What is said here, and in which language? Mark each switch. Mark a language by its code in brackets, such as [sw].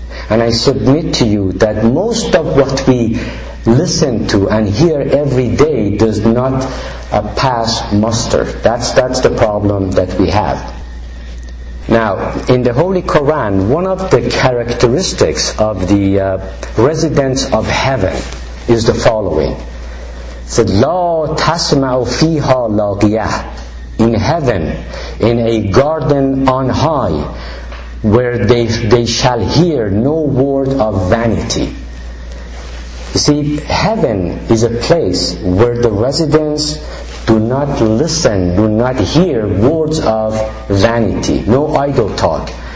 [en] And I submit to you that most of what we listen to and hear every day does not pass muster. That's the problem that we have. Now, in the Holy Quran, one of the characteristics of the residents of heaven is the following. It said, [ar] لا تسمع فيها لاغية. [en] In heaven, in a garden on high, where they shall hear no word of vanity. You see, heaven is a place where the residents do not listen, do not hear words of vanity, no idle talk.